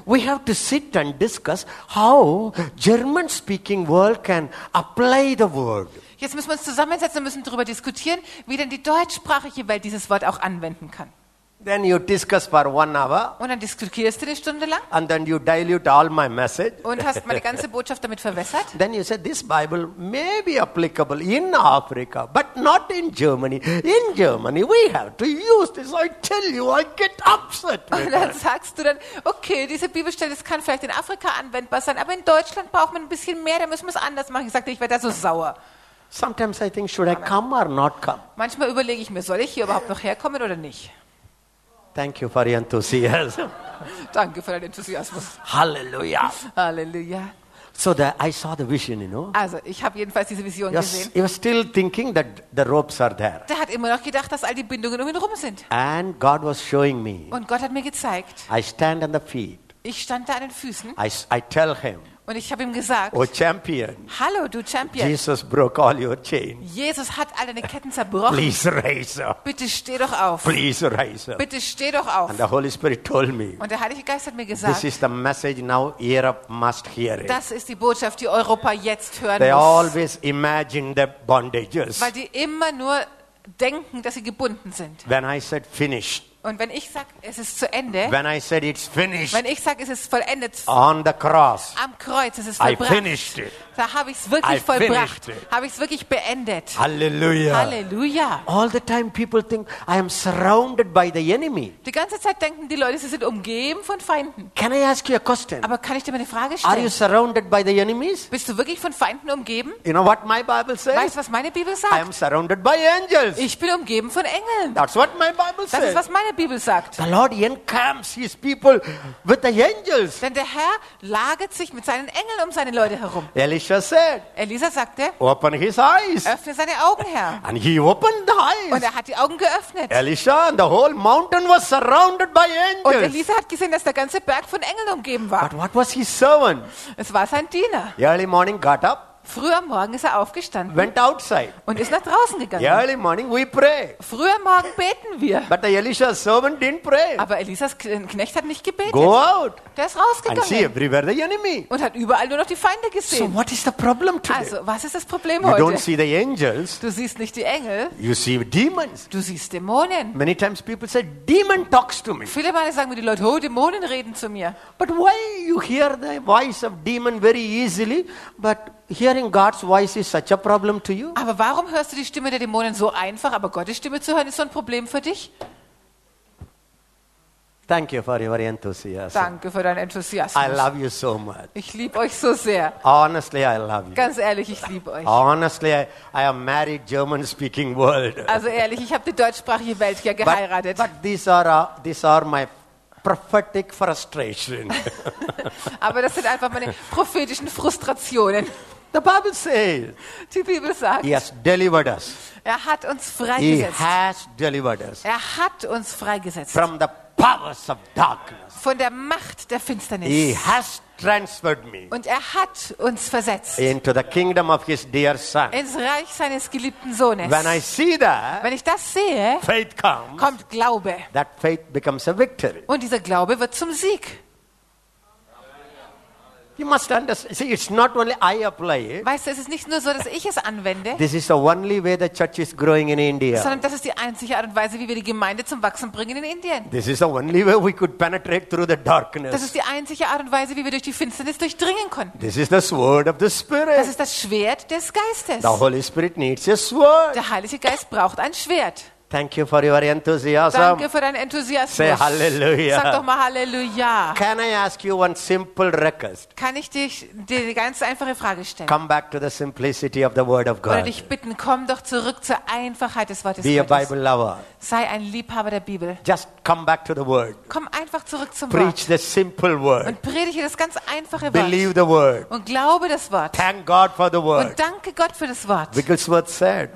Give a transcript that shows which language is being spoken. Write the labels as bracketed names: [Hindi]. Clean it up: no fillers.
[English] We have to sit and discuss how German-speaking world can apply the word. [German] Jetzt müssen wir uns zusammensetzen und müssen darüber diskutieren, wie denn die deutschsprachige Welt dieses Wort auch anwenden kann. [English] Then you discuss for 1 hour. [German] Und dann diskutierst du eine Stunde lang. [English] And then you dilute all my message. [German] Und hast meine ganze Botschaft damit verwässert. [English] Then you said this Bible may be applicable in Africa, but not in Germany. In Germany we have to use this. I tell you, I get upset. [German] Und dann sagst du dann, okay, diese Bibelstelle, das kann vielleicht in Afrika anwendbar sein, aber in Deutschland braucht man ein bisschen mehr. Da müssen wir es anders machen. Ich sagte, ich werde da so sauer. [English] Sometimes I think, should I come or not come? [German] Manchmal überlege ich mir, soll ich hier überhaupt noch herkommen oder nicht? [English] Thank you for your enthusiasm. [German] Danke für deinen Enthusiasmus. [English] Hallelujah. [German] Hallelujah. [English] So that I saw the vision, you know. [German] Also, ich habe jedenfalls diese Vision gesehen. [English] He was still thinking that the ropes are there. [German] Der hat immer noch gedacht, dass all die Bindungen um ihn herum sind. [English] And God was showing me. [German] Und Gott hat mir gezeigt. [English] I stand on the feet. [German] Ich stand da an den Füßen. [English] I tell him. [German] Und ich habe ihm gesagt, [English] oh Champion, [German] hallo du Champion, [English] Jesus broke all your chains. [German] Jesus hat all deine Ketten zerbrochen. [English] Please rise up. [German] Bitte steh doch auf. [English] Please rise up. [German] Bitte steh doch auf. [English] And the Holy Spirit told me, [German] und der Heilige Geist hat mir gesagt, [English] this is the message now Europe must hear it. [German] Das ist die Botschaft, die Europa jetzt hören [English] they [German] muss. [English] They always imagine the bondages. [German] Weil die immer nur denken, dass sie gebunden sind. [English] When I said finished. [German] Und wenn ich sage, es ist zu Ende, [English] when I said it's finished, [German] wenn ich sage, es ist vollendet, [English] on the cross, [German] am Kreuz, es ist vollbracht, da habe ich es wirklich vollbracht, habe ich es wirklich beendet. [English] Halleluja. [German] Halleluja. [English] All the time people think, I am surrounded by the enemy. [German] Die ganze Zeit denken die Leute, sie sind umgeben von Feinden. [English] Can I ask you a question? [German] Aber kann ich dir mal eine Frage stellen? [English] Are you surrounded by the enemies? [German] Bist du wirklich von Feinden umgeben? [English] You know what my Bible says? [German] Weißt du, was meine Bibel sagt? [English] I am surrounded by angels. [German] Ich bin umgeben von Engeln. [English] That's what my Bible says. [German] Das ist, was meine Bibel sagt. [English] The Lord encamps his people with the angels. [German] Denn der Herr lagert sich mit seinen Engeln um seine Leute herum. [English] Elisha said, [German] Elisa sagte, [English] open his eyes. [German] Öffne seine Augen, Herr. [English] And he opened the eyes. [German] Und er hat die Augen geöffnet. [English] Elisha and the whole mountain was surrounded by angels. [German] Und Elisa hat gesehen, dass der ganze Berg von Engeln umgeben war. [English] But what was his servant? [German] Es war sein Diener. [English] Early morning got up. [German] Früh am Morgen ist er aufgestanden. [English] Went outside. [German] Und ist nach draußen gegangen. [English] Early morning we pray. [German] Früh am Morgen beten wir. [English] But the Elisha's servant didn't pray. [German] Aber Elisas Knecht hat nicht gebetet. [English] Go out. [German] Der ist rausgegangen. [English] And see everywhere the enemy. [German] Und hat überall nur noch die Feinde gesehen. [English] So what is the problem today? [German] Also, was ist das Problem [English] you [German] heute? [English] You don't see the angels. [German] Du siehst nicht die Engel. [English] You see demons. [German] Du siehst Dämonen. [English] Many times people say demon talks to me. [German] Viele Male sagen mir die Leute, oh, Dämonen reden zu mir. [English] But why you hear the voice of demon very easily, but hearing God's voice is such a problem to you? [German] Aber warum hörst du die Stimme der Dämonen so einfach, aber Gottes Stimme zu hören ist so ein Problem für dich? [English] Thank you for your enthusiasm. [German] Danke für deinen Enthusiasmus. [English] I love you so much. [German] Ich liebe euch so sehr. [English] Honestly, I love you. [German] Ganz ehrlich, ich liebe euch. [English] Honestly, I am married German-speaking world. [German] Also ehrlich, ich habe die deutschsprachige Welt hier geheiratet. [English] But these are my prophetic frustration. [German] Aber das sind einfach meine prophetischen Frustrationen. [English] The Bible says, [German] die Bibel sagt, [English] he has delivered us. [German] Er hat uns freigesetzt. [English] He has delivered us. [German] Er hat uns freigesetzt. [English] From the powers of darkness. [German] Von der Macht der Finsternis. [English] He has transferred me. [German] Und er hat uns versetzt. [English] Into the kingdom of his dear son. [German] Ins Reich seines geliebten Sohnes. [English] When I see that, [German] wenn ich das sehe, [English] faith comes, [German] kommt Glaube. [English] That faith becomes a victory. [German] Und dieser Glaube wird zum Sieg. [English] You must understand. See, it's not only I apply it. [German] Weißt du, es ist nicht nur so, dass ich es anwende. [English] This is the only way the church is growing in India. [German] Sondern das ist die einzige Art und Weise, wie wir die Gemeinde zum Wachsen bringen in Indien. [English] This is the only way we could penetrate through the darkness. [German] Das ist die einzige Art und Weise, wie wir durch die Finsternis durchdringen konnten. [English] This is the sword of the Spirit. [German] Das ist das Schwert des Geistes. [English] The Holy Spirit needs a sword. [German] Der Heilige Geist braucht ein Schwert. [English] Thank you for your enthusiasm. [German] Danke für deinen Enthusiasmus. [English] Say hallelujah. [German] Sag doch mal hallelujah. [English] Can I ask you one simple request? [German] Kann ich dich dir eine ganz einfache Frage stellen? [English] Come back to the simplicity of the word of God. [German] Oder dich bitten, komm doch zurück zur Einfachheit des Wortes Gottes. [English] Be a Bible lover. [German] Sei ein Liebhaber der Bibel. [English] Just come back to the word. [German] Komm einfach zurück zum [English] Preach [German] Wort. [English] Preach the simple word. [German] Und predige das ganz einfache [English] Believe [German] Wort. [English] Believe the word. [German] Und glaube das Wort. [English] Thank God for the word. [German] Und danke Gott für das Wort. [English] Wigglesworth said.